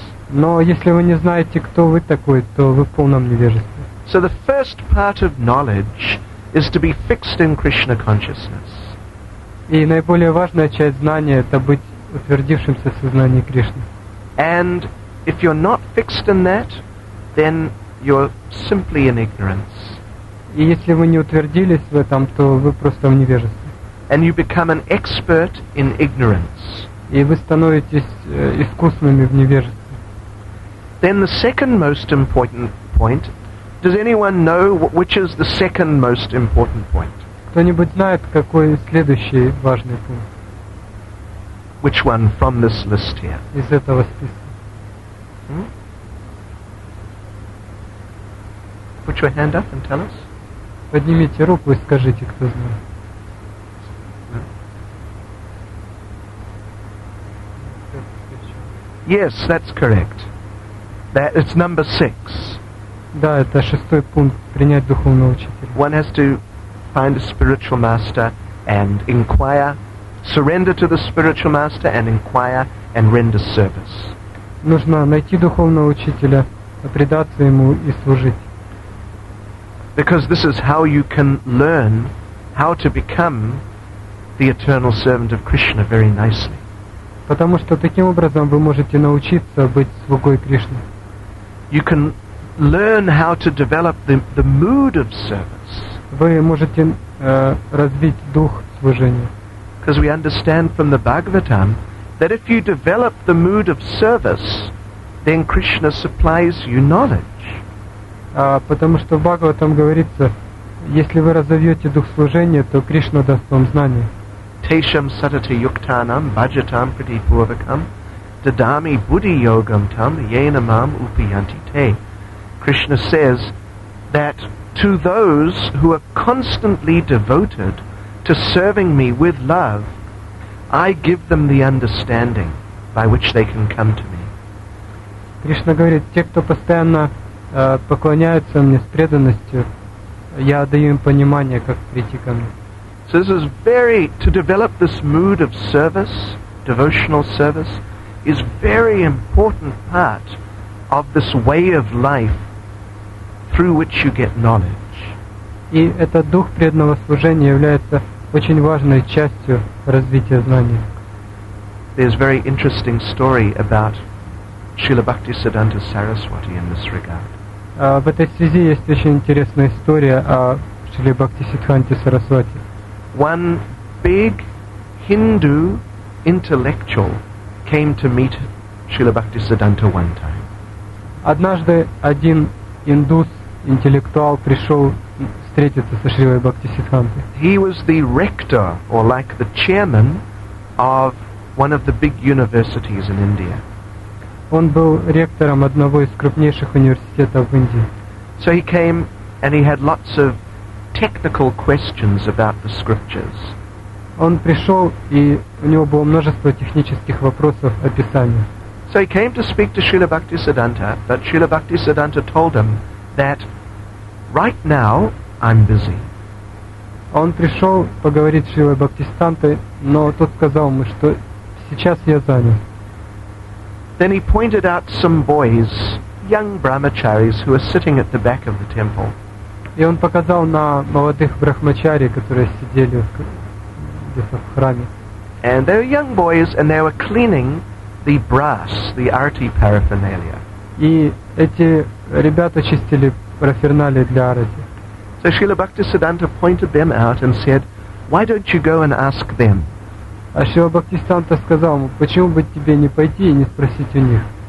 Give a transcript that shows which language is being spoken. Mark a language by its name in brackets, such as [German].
[Russian] Но если вы не знаете, кто вы такой, то вы в полном невежестве. [English] So the first part of knowledge is to be fixed in Krishna consciousness. [Russian] И наиболее важная часть знания – это быть утвердившимся в сознании Кришны. [English] And if you're not fixed in that, then you're simply in ignorance. [Russian] И если вы не утвердились в этом, то вы просто в невежестве. [English] And you become an expert in ignorance. [Russian] И вы становитесь искусными в невежестве. [English] Then the second most important point. Does anyone know which is the second most important point? [Russian] Кто-нибудь знает, какой следующий важный пункт? [English] Which one from this list here? [Russian] Из этого списка. [English] Put your hand up and tell us. [Russian] Поднимите руку и скажите, кто знает. [English] Yes, that's correct. That it's number 6. [Russian] Да, это шестой пункт, принять духовного учителя. [English] One has to find a spiritual master and inquire, surrender to the spiritual master and inquire and render service. [Russian] Нужно найти духовного учителя, предаться ему и служить. [English] Because this is how you can learn how to become the eternal servant of Krishna very nicely. [Russian] Потому что таким образом вы можете научиться быть слугой Кришны. [English] You can learn how to develop the mood of service. [Russian] Вы можете развить дух служения. [English] Because we understand from the Bhagavatam that if you develop the mood of service, then Krishna supplies you knowledge. [Russian] Потому что в Бхагаватам говорится, если вы разовьете дух служения, то Кришна даст вам знания. [Sanskrit] Тешам сатати юктанам баджатам притипурвакам дадами будди йогам там йенамам упиянти те. [English] Krishna says that to those who are constantly devoted to serving me with love, I give them the understanding by which they can come to me. [Russian] Кришна говорит, те, кто постоянно поклоняются мне с преданностью, я даю им понимание, как прийти ко мне. [English] So this is very, to develop this mood of service, devotional service, is very important part of this way of life through which you get knowledge. [Russian] И этот дух преданного служения является очень важной частью развития знания. [English] There's a very interesting story about Srila Bhaktisiddhanta Saraswati in this regard. [Russian] В этой связи есть очень интересная история о Шри Бхактисиддханте Сарасвати. [English] One big Hindu intellectual came to meet Srila Bhaktisiddhanta one time. [Russian] Однажды один индус, интеллектуал, пришел встретиться со Шривой Бхактисиддхантой. [English] He was the rector, or like the chairman, of one of the big universities in India. [Russian] Он был ректором одного из крупнейших университетов в Индии. [English] So he came and he had lots of technical questions about the scriptures. [Russian] Он пришел, и у него было множество технических вопросов о Писании. [English] So he came to speak to Srila Bhaktisiddhanta, but Srila Bhaktisiddhanta told him that right now I'm busy. [Russian] Он пришел поговорить с Шрилой Бхактисиддхантой, но тот сказал ему, что сейчас я занят. [English] Then he pointed out some boys, young brahmacharis, who were sitting at the back of the temple. [Russian] И он показал на молодых брахмачари, которые сидели где-то в храме. [English] And they were young boys, and they were cleaning the brass, the arati paraphernalia. [Russian] И эти ребята чистили параферналии для арати. [English] So Srila Bhaktisiddhanta pointed them out and said, "Why don't you go and ask them?" [Russian] А Шрила Бхактисиддханта сказал ему, почему бы тебе не пойти и не спросить у них?